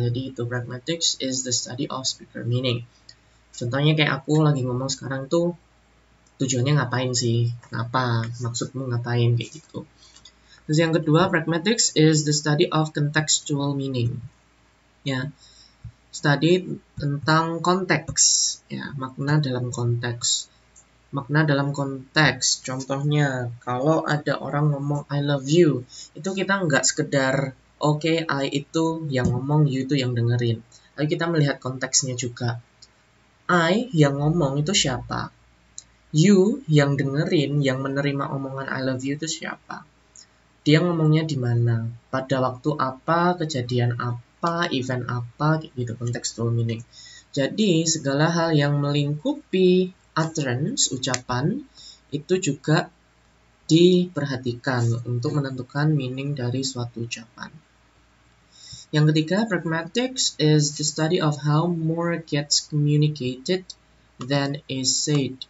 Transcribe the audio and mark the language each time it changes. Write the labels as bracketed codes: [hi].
[id] Jadi itu [en] pragmatics is the study of speaker meaning. [id] Contohnya kayak aku lagi ngomong sekarang tuh tujuannya ngapain sih? Apa maksudmu ngapain kayak gitu? Terus yang kedua [en] pragmatics is the study of contextual meaning. [id] Ya. Study tentang konteks, ya, makna dalam konteks. Makna dalam konteks, contohnya, kalau ada orang ngomong [en] I love you, [id] itu kita nggak sekedar, oke, I itu yang ngomong, you itu yang dengerin. Tapi kita melihat konteksnya juga. I yang ngomong itu siapa? You yang dengerin, yang menerima omongan [en] I love you [id] itu siapa? Dia ngomongnya di mana? Pada waktu apa, kejadian apa? Apa, event apa, gitu, contextual meaning. Jadi, segala hal yang melingkupi utterance, ucapan, itu juga diperhatikan untuk menentukan meaning dari suatu ucapan. Yang ketiga, [en] pragmatics is the study of how more gets communicated than is said.